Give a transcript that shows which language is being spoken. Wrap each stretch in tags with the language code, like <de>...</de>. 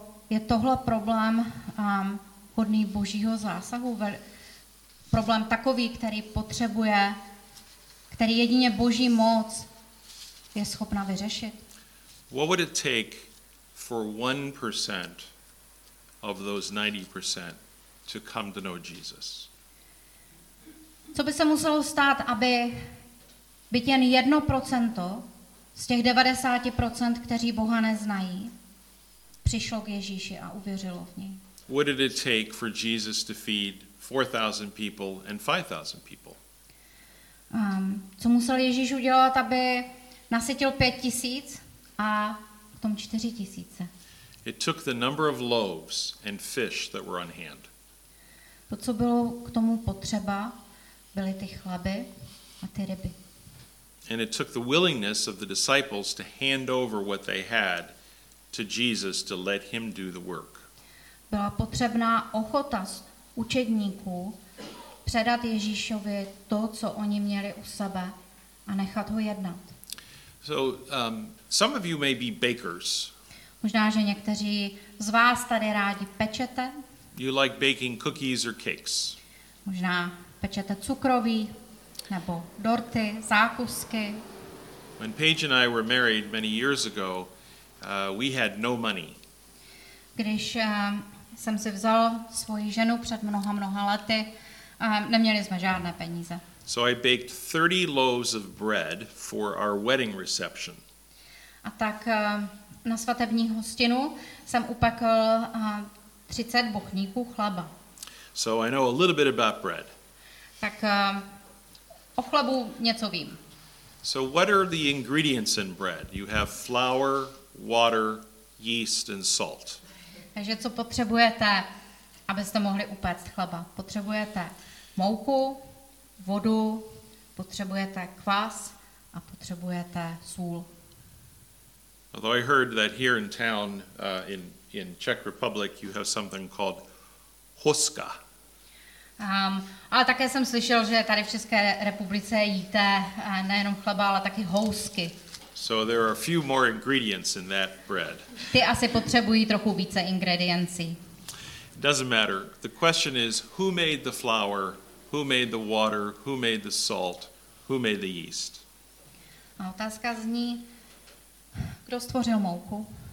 <cs>Je tohle problém hodný Božího zásahu? Problém takový, který potřebuje, který jedině Boží moc je schopna vyřešit?</cs> <en>What would it take for 1% of those 90% to come to know Jesus?</en> <cs>Co by se muselo stát, aby byť jen 1% z těch 90%, kteří Boha neznají, přišlo k Ježíši a uvěřilo v něj?</cs> <en>What did it take for Jesus to feed 4,000 people and 5,000 people?</en> <cs>Co musel Ježíš udělat, aby nasytil 5,000 a potom 4,000?</cs> <en>It took the number of loaves and fish that were on hand.</en> <cs>To, co bylo k tomu potřeba, byly ty chleby a ty ryby.</cs> <en>And it took the willingness of the disciples to hand over what they had to Jesus to let him do the work.</en> <cs>Byla potřebná ochota učedníků předat Ježíšovi to, co oni měli u sebe, a nechat ho jednat.</cs> <en>So, some of you may be bakers.</en> <cs>Možná, že někteří z vás tady rádi pečete.</cs> <en>You like baking cookies or cakes.</en> <cs>Možná pečete cukroví nebo dorty, zákusky.</cs> <en>When Paige and I were married many years ago, we had no money.</en> <cs>Když jsem si vzal svoji ženu před mnoha lety, neměli jsme žádné peníze.</cs> <en>So I baked 30 loaves of bread for our wedding reception.</en> <cs>A tak na svatební hostinu jsem upekl 30 bochníků chleba.</cs> <en>So I know a little bit about bread.</en> <cs>Tak o chlebu něco vím.</cs> <en>So what are the ingredients in bread? You have flour, water, yeast and salt.</en> <cs>Takže co potřebujete, abyste mohli upéct chleba? Potřebujete mouku, vodu, potřebujete kvas a potřebujete sůl.</cs> <en>Although I heard that here in town, in Czech Republic, you have something called huska.</en> <cs>Ale také jsem slyšel, že tady v České republice jíte nejenom chleba, ale taky housky.</cs> <en>So there are a few more ingredients in that bread.</en> <cs>Ty asi potřebují trochu více ingrediencí.</cs> <en>Doesn't matter. The question is, who made the flour? Who made the water? Who made the salt? Who made the yeast?</en> <cs>A otázka zní, kdo stvořil mouku?</cs>